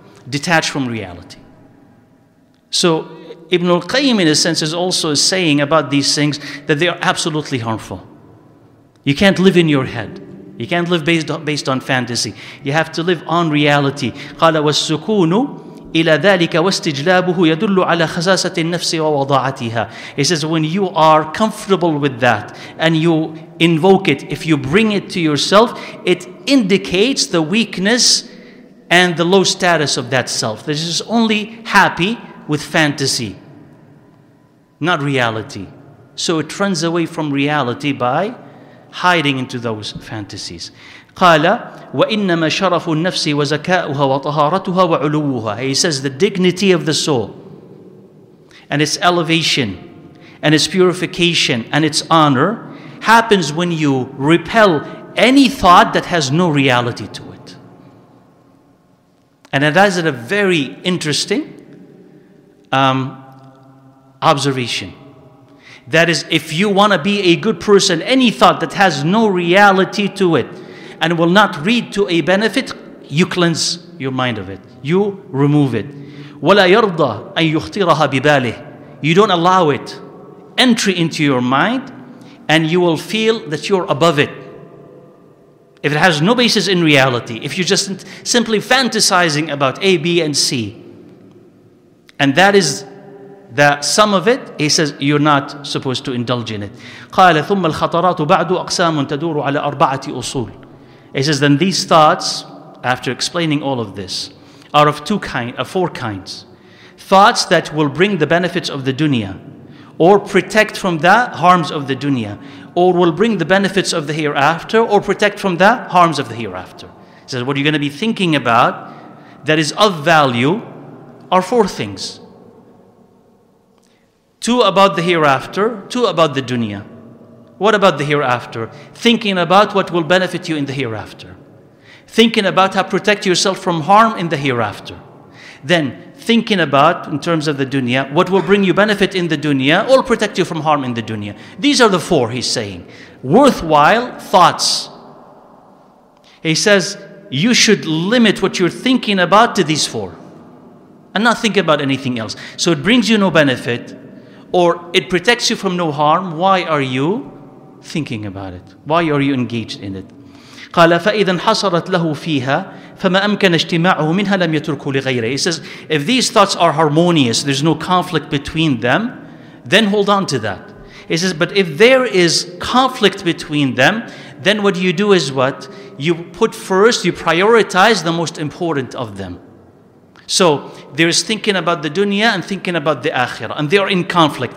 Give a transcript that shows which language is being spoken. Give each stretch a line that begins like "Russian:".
English: Detached from reality. So Ibn al-Qayyim, in a sense, is also saying about these things that they are absolutely harmful. You can't live in your head. You can't live based on fantasy. You have to live on reality.
Arabic: قَالَ وَالسُّكُونُ إلى ذلك واستجلابه يدل على خزاسة النفس ووضاعتها.
English: He says, when you are comfortable with that and you invoke it, if you bring it to yourself, it indicates the weakness and the low status of that self. This is only happy with fantasy, not reality. So it runs away from reality by hiding into those fantasies.
Arabic: قال وإنما شرف النفس وزكاؤها وطهارتها وعلوها.
English: He says the dignity of the soul and its elevation and its purification and its honor happens when you repel any thought that has no reality to it. And that is a very interesting observation. That is, if you want to be a good person, any thought that has no reality to it and will not lead to a benefit, you cleanse your mind of it. You remove it.
Arabic: وَلَا يَرْضَى أَن يُخْتِرَهَا بِبَالِهِ.
English: You don't allow it entry into your mind and you will feel that you're above it. If it has no basis in reality, if you're just simply fantasizing about A, B, and C, and that is the sum of it, he says, you're not supposed to indulge in it.
Arabic: قَالَ ثُمَّ الْخَطَرَاتُ بَعْدُ أَقْسَامٌ تَدُورُ عَلَى أَرْبَعَةِ أُصُولٍ.
English: He says, then these thoughts, after explaining all of this, are of four kinds. Thoughts that will bring the benefits of the dunya, or protect from the harms of the dunya, or will bring the benefits of the hereafter, or protect from the harms of the hereafter. He says, what you're going to be thinking about that is of value are four things. Two about the hereafter, two about the dunya. What about the hereafter? Thinking about what will benefit you in the hereafter. Thinking about how to protect yourself from harm in the hereafter. Then thinking about, in terms of the dunya, what will bring you benefit in the dunya or protect you from harm in the dunya. These are the four, he's saying. Worthwhile thoughts. He says, you should limit what you're thinking about to these four. And not think about anything else. So it brings you no benefit or it protects you from no harm. Why are you thinking about it? Why are you engaged in it?
Arabic: قال فإذا حصرت له فيها فما أمكن اجتماعه منها لم يتركه لغيره.
English: He says, if these thoughts are harmonious, there's no conflict between them, then hold on to that. He says, but if there is conflict between them, then what you do is what? You put first, you prioritize the most important of them. So there is thinking about the dunya and thinking about the akhirah, and they are in conflict.